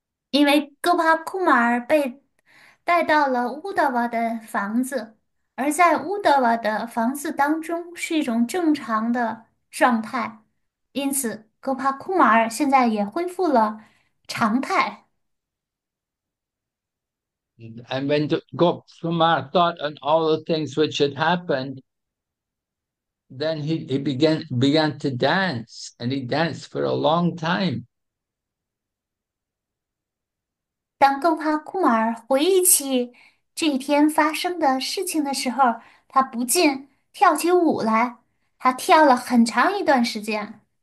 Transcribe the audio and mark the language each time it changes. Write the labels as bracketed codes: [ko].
[zh] 因为戈帕库马尔被带到了乌德瓦的房子，而在乌德瓦的房子当中是一种正常的状态，因此戈帕库马尔现在也恢复了常态。 [en] And when Gop Kumar thought on all the things which had happened, then he began to dance, and he danced for a long time. [zh] 当戈帕库马尔回忆起这一天发生的事情的时候，他不禁跳起舞来，他跳了很长一段时间。